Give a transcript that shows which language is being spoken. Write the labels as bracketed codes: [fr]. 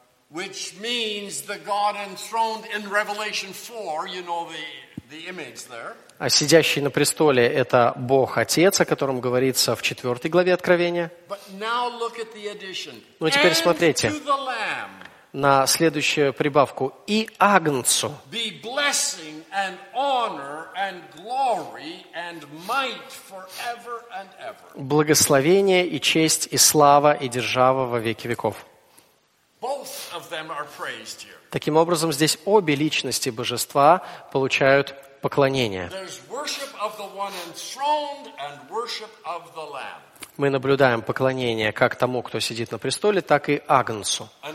[en] which means the God enthroned in Revelation 4, you know the image there. [ru] А сидящий на престоле – это Бог Отец, о котором говорится в 4 главе Откровения. [en] But now look at the addition. [ru] Ну, теперь смотрите. [en] And to the Lamb. [ru] на следующую прибавку «и Агнцу». [en] The blessing and honor and glory and might forever and ever. [ru] Благословение и честь и слава и держава во веки веков. [en] Both of them are praised here. [ru] Таким образом, здесь обе личности Божества получают поклонение. [en] There's worship of the one enthroned and worship of the Lamb. [ru] Мы наблюдаем поклонение как тому, кто сидит на престоле, так и Агнцу.